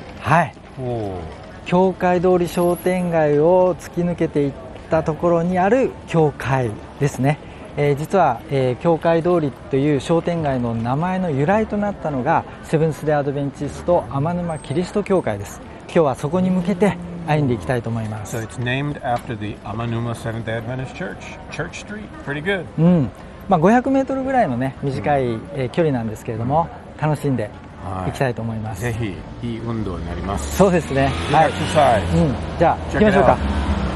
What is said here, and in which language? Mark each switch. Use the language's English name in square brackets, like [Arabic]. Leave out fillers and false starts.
[Japanese] はい、お教会通り商店街を突き抜けていったところにある教会ですね。実は、教会通りという商店街の名前の由来となったのが、セブンスデイアドベンチスト天沼キリスト教会です。今日はそこに向けて歩んでいきたいと思います。 [English] So it's named after the Amanuma Seventh-day Adventist Church. Church Street. Pretty good. [Japanese] まあ、500メートルぐらいの、ね、短い、距離なんですけれども、楽しんでいきたいと思います。ぜひいい運動になります。そうですね、はい、エクササイズ、じゃあ行きましょうか。